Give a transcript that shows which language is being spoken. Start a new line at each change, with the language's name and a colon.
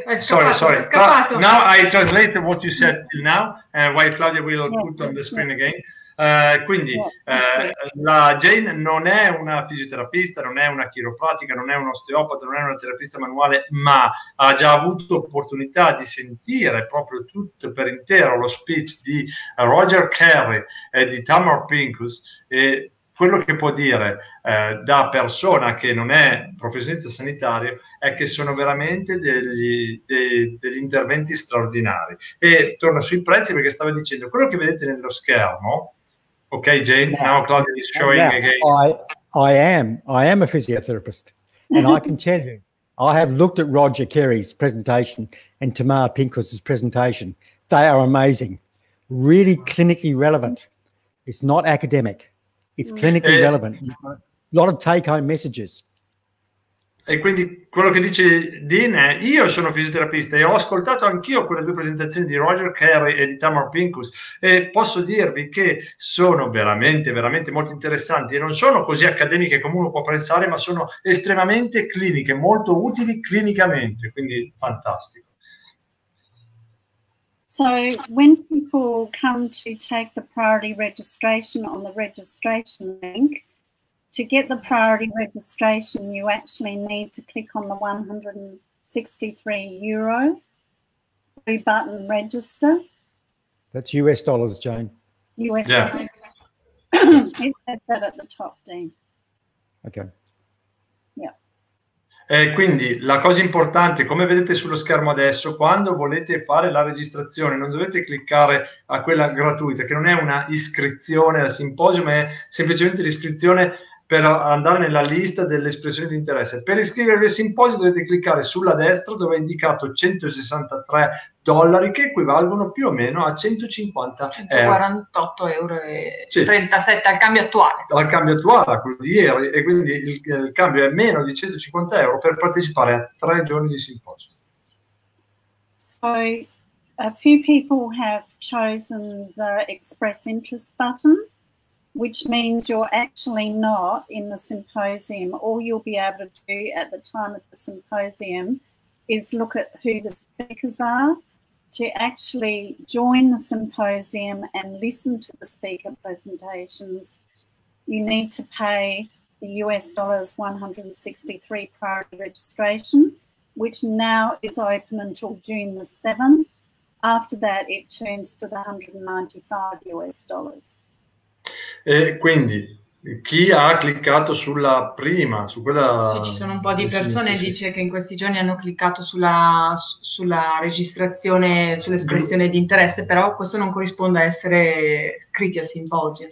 English: Now I translate what you said till now, while Claudia will put on the screen again.
Italian: Quindi la Jane non è una fisioterapista, non è una chiropratica, non è un osteopata, non è una terapista manuale, ma ha già avuto opportunità di sentire proprio tutto per intero lo speech di Roger Carey e di Tamar Pinkus. E quello che può dire da persona che non è professionista sanitario è che sono veramente degli interventi straordinari. E torno sui prezzi, perché stavo dicendo, quello che vedete nello schermo,
English: ok Jane, now Claudia is showing again. I am a physiotherapist, and I can tell you, I have looked at Roger Carey's presentation and Tamar Pinkus' presentation. They are amazing, really clinically relevant. It's not academic. It's clinically relevant. A lot of take-home messages.
Italian: E quindi quello che dice Dean è: io sono fisioterapista e ho ascoltato anch'io quelle due presentazioni di Roger Carey e di Tamar Pinkus, e posso dirvi che sono veramente, veramente molto interessanti, e non sono così accademiche come uno può pensare, ma sono estremamente cliniche, molto utili clinicamente, quindi fantastico.
English: So when people come to take the priority registration on the registration link, to get the priority registration, you actually need to click on the €163 blue button register. That's US dollars, Jane. US dollars. It says that at the top, Dean. Okay.
Italian: Quindi la cosa importante, come vedete sullo schermo adesso, quando volete fare la registrazione non dovete cliccare a quella gratuita, che non è una iscrizione al simposio, ma è semplicemente l'iscrizione per andare nella lista delle espressioni di interesse. Per iscrivervi al simposio dovete cliccare sulla destra dove è indicato $163, che equivalgono più o meno a 148,37 euro al cambio attuale. Al cambio attuale, a quello di ieri, e quindi il cambio è meno di €150 per partecipare a 3 giorni di simposio.
English: So, a few people have chosen the Express Interest button. which means you're actually not in the symposium. All you'll be able to do at the time of the symposium is look at who the speakers are, to actually join the symposium and listen to the speaker presentations. You need to pay the $163 priority registration, which now is open until June the 7th. After that, it turns to the $195.
Italian: E quindi chi ha cliccato sulla prima, su quella... Sì, ci sono un po' di persone, sì. Dice che in questi giorni hanno cliccato sulla, registrazione, sull'espressione di interesse, però questo non corrisponde a essere iscritti al simposio.